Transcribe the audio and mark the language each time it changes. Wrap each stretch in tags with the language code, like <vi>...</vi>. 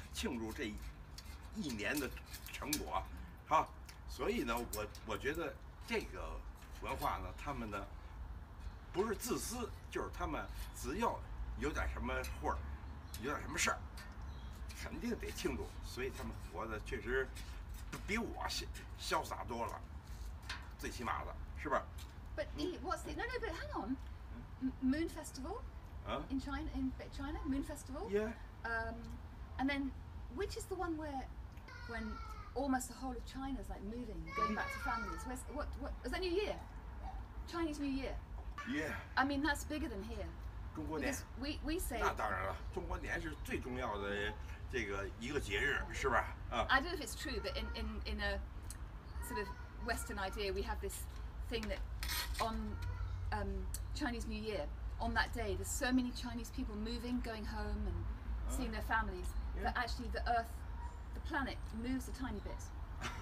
<zh>庆祝这一年的成果啊，所以呢我觉得这个文化呢，他们呢不是自私，就是他们只要有点什么或者有点什么事儿肯定得庆祝，所以他们活得确实比我潇洒多了，最起码的是吧。</zh> <en>But what's the no but hang on Moon Festival in China, in China Moon Festival and then which is the one where when almost the whole of China is like moving going back to families, where's what is that? New Year, Chinese New Year. Yeah, I mean that's bigger than here.</en> <zh>中国年</zh> <en>we say</en> <zh>那当然了，中国年是最重要的这个一个节日，是吧？</zh> <en>I don't know if it's true, but in a sort of Western idea, we have this thing that on Chinese New Year, on that day, there's so many Chinese people moving, going home, and seeing their families that actually the Earth, the planet, moves a tiny bit.</en>